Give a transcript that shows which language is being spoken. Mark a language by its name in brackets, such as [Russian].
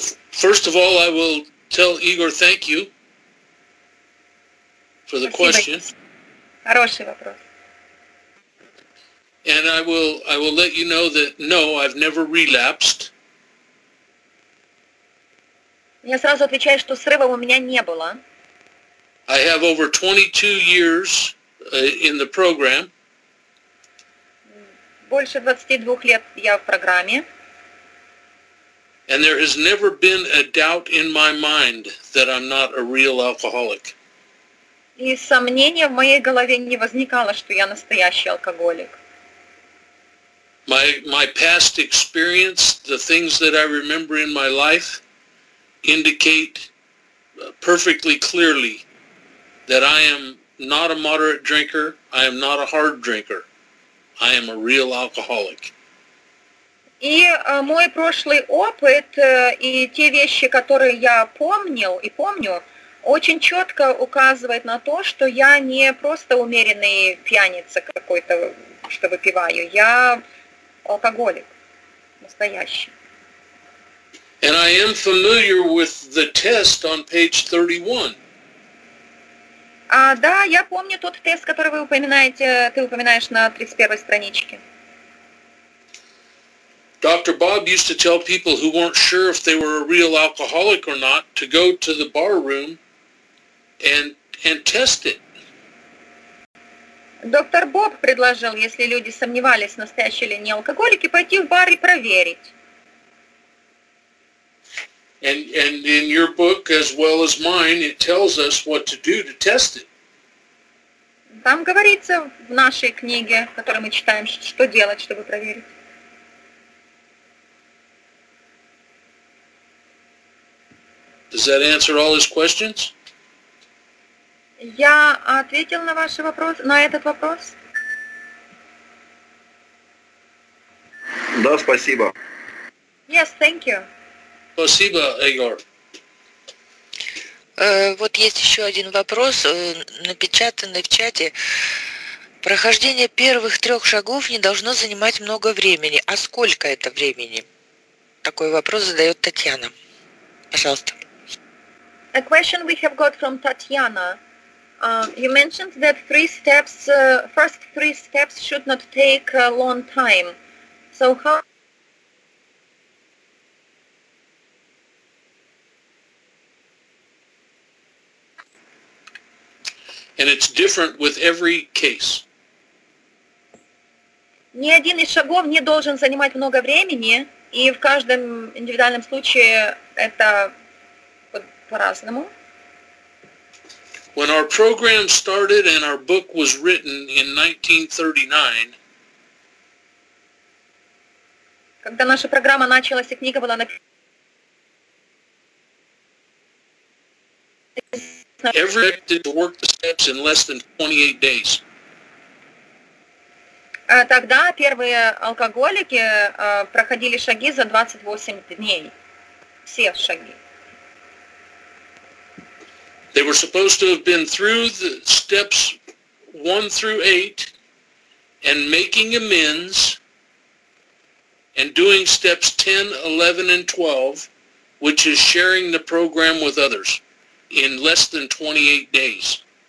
[English] First of all, I will tell Igor thank you for the question. [Russian] Хороший вопрос. [English] And I will let you know that no, I've never relapsed. [Russian] Я сразу отвечаю, что срыва у меня не было. [English] I have over 22 years in the program. [Russian] Больше 22 лет я в программе. [English] And there has never been a doubt in my mind that I'm not a real alcoholic. [Russian] И сомнения в моей голове не возникало, что я настоящий алкоголик. [English] My past experience, the things that I remember in my life, indicate perfectly clearly that I am not a moderate drinker, I am not a hard drinker, I am a real alcoholic. [Russian] И мой прошлый опыт и те вещи, которые я помнил и помню, очень четко указывает на то, что я не просто умеренный пьяница какой-то, что выпиваю. Я алкоголик. Настоящий. [English] And I am familiar with the test on page 31. [Russian] Да, я помню тот тест, который вы упоминаете, ты упоминаешь на 31 страничке. [English] Dr. Bob used to tell people who weren't sure if they were a real alcoholic or not to go to the bar room and test it. [Russian] Доктор Боб предложил, если люди сомневались, настоящие ли не алкоголики, пойти в бар и проверить. [English] And in your book, as well as mine, it tells us what to do to test it. [Russian] Там говорится в нашей книге, которую мы читаем, что делать, чтобы проверить. [English] Does that answer all his questions? [Russian] Я ответил на ваш вопрос, на этот вопрос. Да, спасибо. [English] Yes, thank you. [Russian] Спасибо, Егор. Вот есть еще один вопрос, напечатанный в чате. Прохождение первых трех шагов не должно занимать много времени. А сколько это времени? Такой вопрос задает Татьяна. Пожалуйста. [English] A question we have got from Tatiana. You mentioned that first three steps should not take a long time. So how? And it's different with every case. [Russian] Ни один из шагов не должен занимать много времени, и в каждом индивидуальном случае это по-разному. [English] When our program started and our book was written in 1939, [Russian] когда наша программа началась и книга была написана, [English] every expected to work the steps in less than 28 days. [Russian] Тогда первые алкоголики проходили шаги за 28 дней. Все шаги. [English] They were supposed to have been through the steps 1 through 8 and making amends and doing steps 10, 11, and 12, which is sharing the program with others, in less than 28 days.